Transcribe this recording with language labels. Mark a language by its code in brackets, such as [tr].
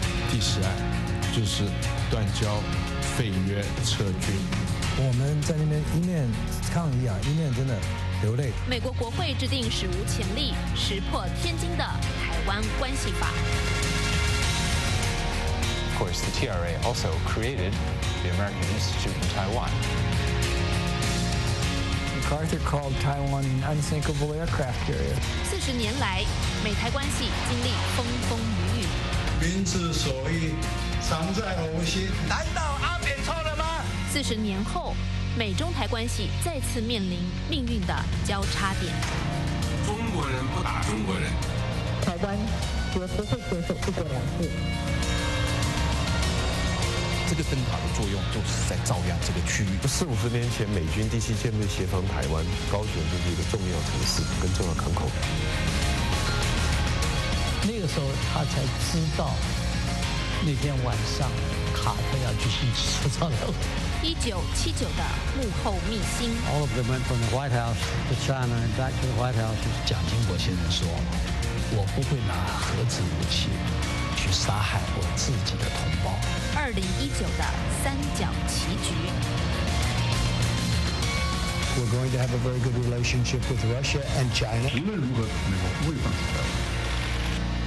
[zh] 第十案就是断交、废约、撤军。我们在那边一面抗议啊，一面真的流泪。美国国会制定史无前例、石破天惊的台湾关系法。 [en] Of course, the TRA also created the American Institute in Taiwan. MacArthur called Taiwan an unsinkable aircraft carrier. [zh] 四十年来，美台关系经历风风雨雨。民之所欲，常在吾心。难道阿扁错了吗？四十年后，美中台关系再次面临命运的交叉点。中国人不打中国人，台湾绝不会接受一国两制。这个灯塔的作用就是在照亮这个区域。 40-50年前，美军第七舰队协防台湾，高雄就是一个重要城市跟重要港口。那个时候他才知道，那天晚上卡特要举行首脑会。 1979的幕后秘辛。 [en] All of them went from the White House to China and back to the White House。 [zh] 蒋经国先生说：“我不会拿核子武器去杀害我自己的同胞。” 2019的三角棋局。 [en] We're going to have a very good relationship with Russia and China。 [zh] 无论如何，美国不会放弃台湾。